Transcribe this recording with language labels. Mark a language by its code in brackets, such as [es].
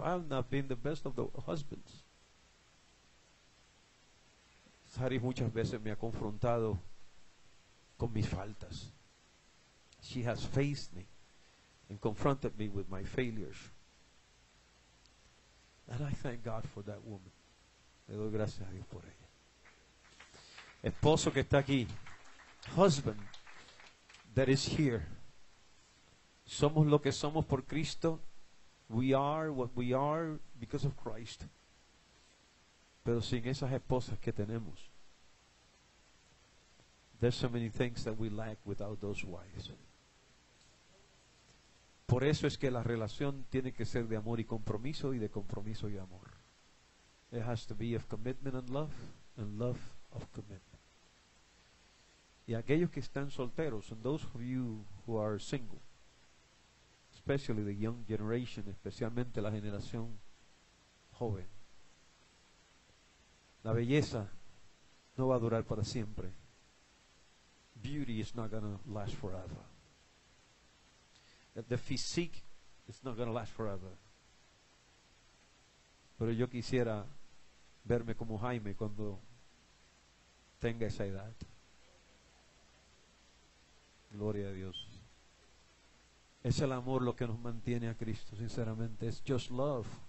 [en] I've not been the best of the husbands. [es] Sari muchas veces me ha confrontado con mis faltas. [en] She has faced me and confronted me with my failures. And I thank God for that woman. [es] Le doy gracias a Dios por ella. Esposo que está aquí. [en] Husband that is here. [es] Somos lo que somos por Cristo. [en] We are what we are because of Christ. [es] Pero sin esas esposas que tenemos, [en] there's so many things that we lack without those wives. [es] Por eso es que la relación tiene que ser de amor y compromiso, y de compromiso y amor. [en] It has to be of commitment and love of commitment. [es] Y aquellos que están solteros, [en] and those of you who are single, especially the young generation, [es] especialmente la generación joven, la belleza no va a durar para siempre. [en] Beauty is not going to last forever. The physique is not going to last forever. [es] Pero yo quisiera verme como Jaime cuando tenga esa edad. Gloria a Dios. Es el amor lo que nos mantiene a Cristo, sinceramente. [en] It's just love.